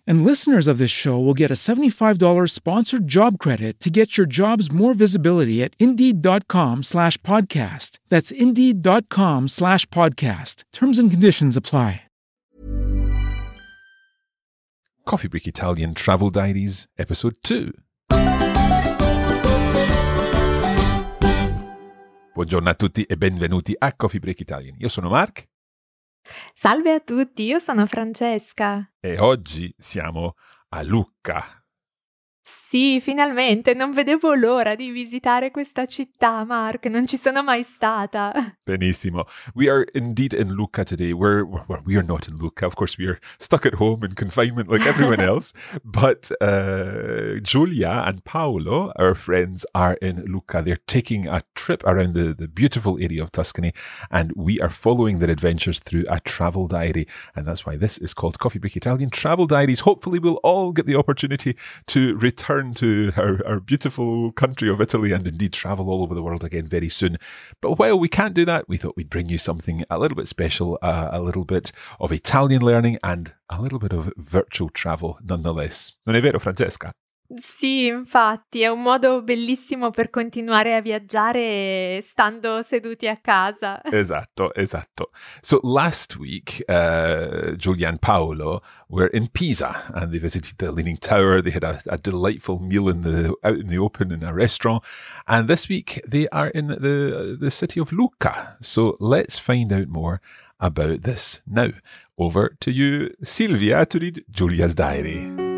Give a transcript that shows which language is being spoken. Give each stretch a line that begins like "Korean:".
English: And listeners of this show will get a $75 sponsored job credit to get your jobs more visibility at Indeed.com/podcast. That's Indeed.com/podcast. Terms and conditions apply. Coffee Break Italian Travel Diaries, Episode 2.
Italian: Buongiorno a tutti e benvenuti a Coffee Break Italian. Io sono Mark. Salve a tutti, io sono Francesca. E oggi siamo a Lucca. Sì, finalmente, non vedevo l'ora di visitare questa città, Mark, non ci sono mai stata. Benissimo.
English: We are indeed in Lucca today. We are not in Lucca, of course, we are stuck at home in confinement like everyone else, but Giulia and Paolo, our friends, are in Lucca. They're taking a trip around the beautiful area of Tuscany, and we are following their adventures through a travel diary, and that's why this is called Coffee Break Italian Travel Diaries. Hopefully, we'll all get the opportunity to return to our beautiful country of Italy and indeed travel all over the world again very soon. But while we can't do that, we thought we'd bring you something a little bit special, a little bit of Italian learning and a little bit of virtual travel nonetheless.
Italian: Non è vero, Francesca? Sì, infatti, è un modo bellissimo per continuare a viaggiare stando seduti a casa. Esatto, esatto.
English: So last week, Giulia and Paolo were in Pisa and they visited the Leaning Tower. They had a delightful meal out in the open in a restaurant. And this week they are in the city of Lucca. So let's find out more about this. Now, over to you, Silvia, to read Giulia's diary.